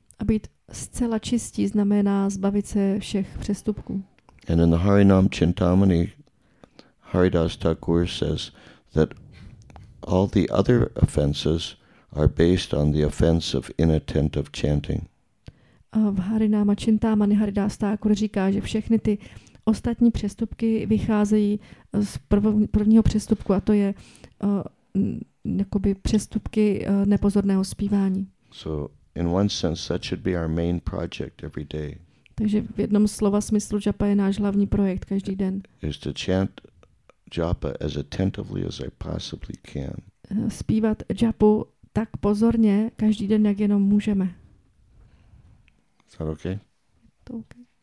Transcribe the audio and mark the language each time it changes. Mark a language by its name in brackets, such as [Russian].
[Czech] A být zcela čistý znamená zbavit se všech přestupků. [English] And in the Harinam Chintamani, Haridas Thakur says that all the other offenses are based on the offense of inattentive chanting. [Czech] V Harinama Chintamani Haridas Thakur říká, že všechny ty ostatní přestupky vycházejí z prvního přestupku, a to je jakoby přestupky nepozorného zpívání. [English] So in one sense that should be our main project every day. [Czech] Takže v jednom slova smyslu japa je náš hlavní projekt každý den. [English] Is to chant japa as attentively as I possibly can. [Czech] Zpívat japu tak pozorně každý den, jak jenom můžeme. [English] Is that okay? [Czech] To okay.